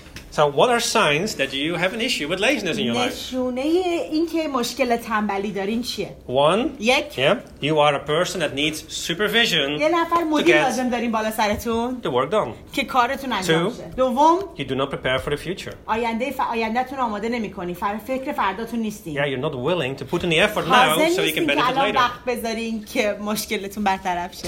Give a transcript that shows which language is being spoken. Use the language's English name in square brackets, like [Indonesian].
[English] So what are signs that you have an issue with laziness in your life? [Persian] نشونه این که مشکل تنبلی دارین چیه؟ [English] One. [Persian] یک. [English] Yeah. You are a person that needs supervision. [Persian] یه نفر مدیر لازم دارین بالا سرتون. [English] To work done. [Persian] که کارتون انجام شه. دوم. [English] You do not prepare for the future. [Persian] آیندهتون آماده نمی‌کنی. فکر فرداتون نیستین. [English] Yeah, you're not willing to put in the effort now so you can benefit later. [Persian] حاضر نیستین وقت بذارین که مشکلتون برطرف شه.